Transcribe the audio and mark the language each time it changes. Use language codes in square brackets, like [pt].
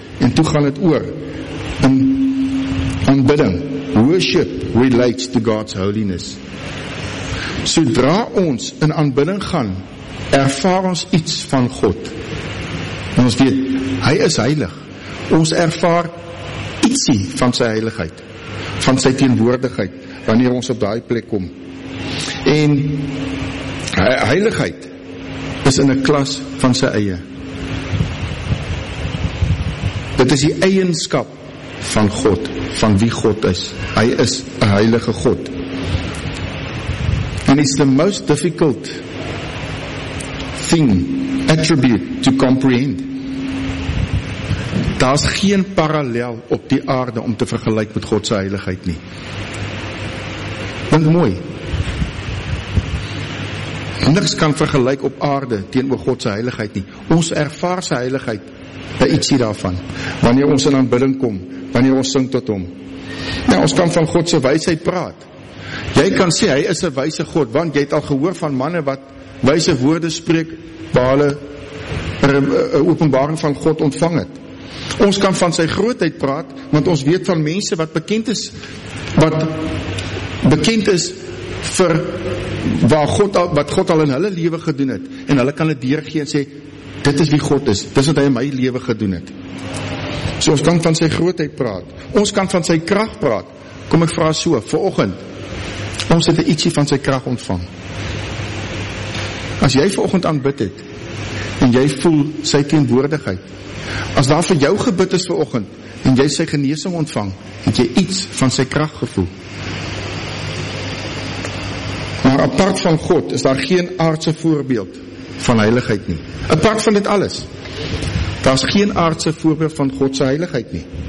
[af] En toe gaan het oor in aanbidding. [en] Worship relates to God's holiness. [af] Sodra ons in aanbidding gaan, ervaar ons iets van God. En ons weet, Hy is heilig. Ons ervaar ietsie van sy heiligheid, van sy teenwoordigheid, wanneer ons op daai plek kom. En heiligheid is in 'n klas van sy eie. Dit is die eienskap van God, van wie God is. Hy is 'n heilige God. [en] And it's the most difficult thing, attribute to comprehend. [af] Daar is geen parallel op die aarde om te vergelijken met Godse heiligheid nie. Dink mooi. Niks kan vergelijken op aarde teenoor Godse heiligheid nie. Ons ervaar sy heiligheid by ietsie daarvan. Wanneer ons in aanbidding kom, wanneer ons sing tot hom. Ja, ons kan van Godse wysheid praat. Jy kan sê, hy is 'n wyse God, want jy het al gehoor van manne wat wyse woorde spreek, waar hulle 'n openbaring van God ontvang het. Ons kan van sy grootheid praat, want ons weet van mense wat bekend is vir wat God al in hulle lewe gedoen het, en hulle kan dit deurgee en sê, dit is wie God is, dis wat hy in my lewe gedoen het. So ons kan van sy grootheid praat, ons kan van sy krag praat. Kom ek vra so, vanoggend, ons het 'n ietsie van sy krag ontvang. As jy vanoggend aanbid het, en jy voel sy teenwoordigheid, as daar vir jou gebid is vanoggend, en jy sy genesing ontvang, het jy iets van sy krag gevoel. Maar apart van God, is daar geen aardse voorbeeld van heiligheid nie. Apart van dit alles, daar is geen aardse voorbeeld van Godse heiligheid nie.